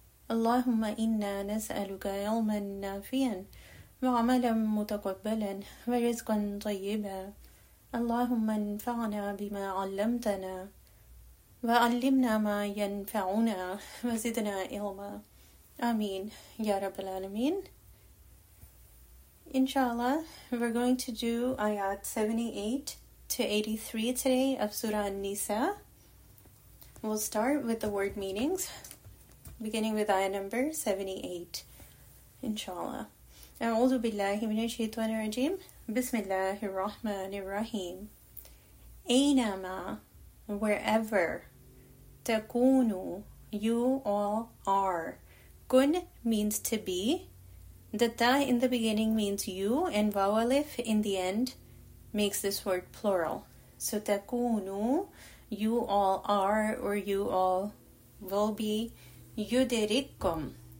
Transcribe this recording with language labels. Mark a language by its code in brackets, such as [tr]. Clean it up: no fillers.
[ar] اللهم إنا نسألك علما نافعا وعملا متقبلا ورزقا طيبا اللهم انفعنا بما علمتنا وعلمنا ما ينفعنا وزدنا علما آمين يا رب العالمين. [en] Inshallah, we're going to do ayat 78 to 83 today of Surah An-Nisa. We'll start with the word meanings, beginning with ayah number 78. Inshallah. [ar] أعوذ بالله من الشيطان الرجيم بسم الله الرحمن الرحيم أينما [en] wherever [ar] تكونوا [en] you all are. كن means to be. The ta in the beginning means you, and vowel alif in the end makes this word plural. So تكونوا you all are or you all will be. [ar] يدرككم.